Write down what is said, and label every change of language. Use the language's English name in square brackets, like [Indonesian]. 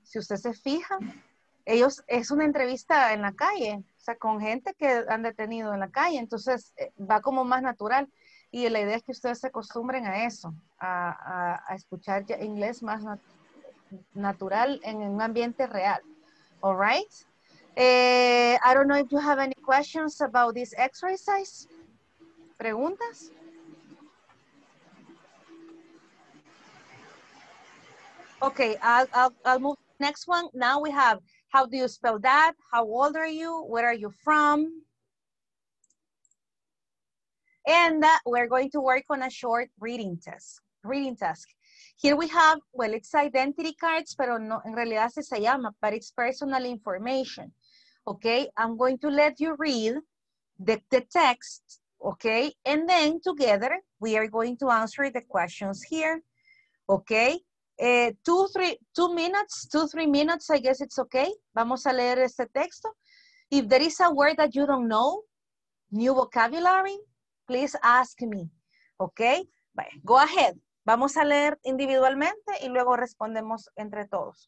[Spanish] Si usted se fija, ellos, es una entrevista en la calle, o sea, con gente que han detenido en la calle. Entonces, va como más natural. Y la idea es que ustedes se acostumbren a eso, a escuchar ya inglés más natural en un ambiente real. [English] All right? I don't know if you have any questions about this exercise. [Spanish] ¿Preguntas? [English] Okay, I'll move to the next one. Now we have, how do you spell that? How old are you? Where are you from? And we're going to work on a short reading task. Here we have, well, it's identity cards, [Spanish] pero no, en realidad se llama, [English] but it's personal information. Okay, I'm going to let you read the text, okay? And then together, we are going to answer the questions here, okay? Two, three minutes, I guess it's okay. [Spanish] Vamos a leer este texto. [English] If there is a word that you don't know, new vocabulary, please ask me, okay? Bye. Go ahead. [Spanish] Vamos a leer individualmente y luego respondemos entre todos.